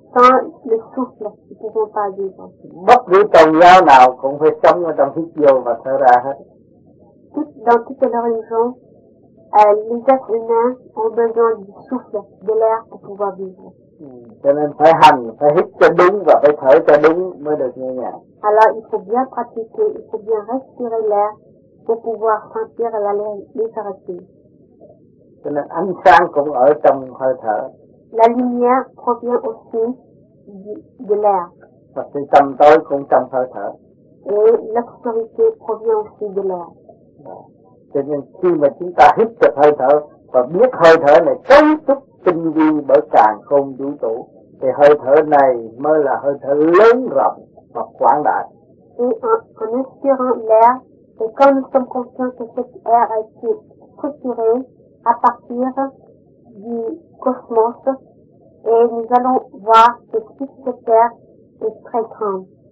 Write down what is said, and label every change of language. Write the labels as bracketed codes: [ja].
[fr] Sans le souffle, tu ne pouvons pas vivre. [vi] Bất cứ tôn giáo nào cũng phải sống ở trong hít vô và thở ra hết. [fr] Dans toutes les religions, les êtres humains ont besoin du souffle, de l'air pour pouvoir vivre. [vi] Cho nên phải hành, phải hít cho đúng và phải thở cho đúng mới được nghe nhạc. [fr] Alors, il faut bien pratiquer, il faut bien respirer l'air pour pouvoir sentir la légèreté. [vi] Cho nên ánh sáng cũng ở trong hơi thở. [fr] La lumière provient aussi de l'air. Parce que [vi] tâm tối cũng trong hơi thở. [fr] Et l'obscurité provient aussi de l'air. [vi] Cho nên khi mà chúng ta hít được hơi thở và biết hơi thở này cấu trúc tinh vi bởi càn khôn vũ trụ, thì hơi thở này mới là hơi thở lớn rộng và quảng đại. [fr] Et en inspirant l'air, et quand nous sommes conscients que cet air a été structuré à partir du cosmos, et nous allons voir que tout cet air est très grand.